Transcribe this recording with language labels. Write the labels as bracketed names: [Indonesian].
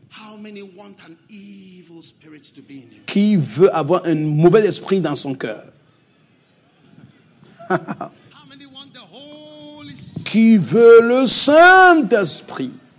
[English] How many want an evil spirit to be in you? [French] Qui veut avoir un mauvais esprit dans son cœur? [English] How many want the Holy Spirit? [French] Qui veut le Saint-Esprit?